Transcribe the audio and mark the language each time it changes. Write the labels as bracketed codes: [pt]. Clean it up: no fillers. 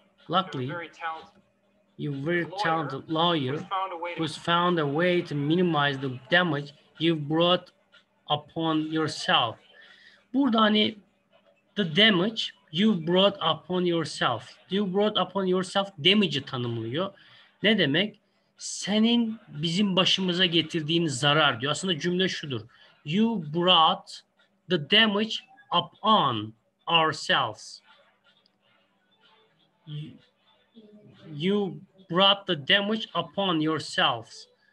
[en] Luckily, you're very talented lawyer who's found a way to minimize the damage you've brought upon yourself. [tr] Burada hani [en] the damage you've brought upon yourself. You brought upon yourself damage'ı [tr] tanımlıyor. Ne demek? Senin bizim başımıza getirdiğin zarar diyor. Aslında cümle şudur. [en] You brought the damage upon ourselves. You brought the damage upon yourselves.